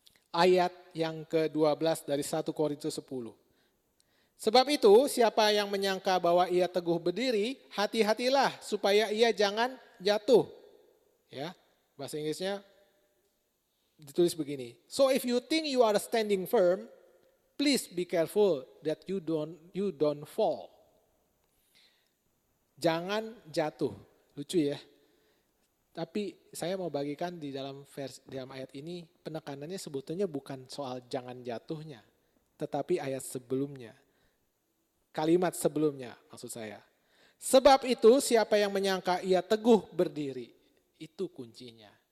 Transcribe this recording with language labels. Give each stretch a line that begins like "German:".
Indonesian: Ayat yang ke-12 dari 1 Korintus 10. Sebab itu, siapa yang menyangka bahwa ia teguh berdiri, hati-hatilah supaya ia jangan jatuh. Ya, bahasa Inggrisnya ditulis begini.
English: So if you think you are standing firm, please be careful that you don't fall.
Indonesian: Jangan jatuh. Lucu ya. Tapi saya mau bagikan di dalam dalam ayat ini, penekanannya sebetulnya bukan soal jangan jatuhnya, tetapi ayat sebelumnya. Kalimat sebelumnya maksud saya. Sebab itu siapa yang menyangka ia teguh berdiri. Itu kuncinya.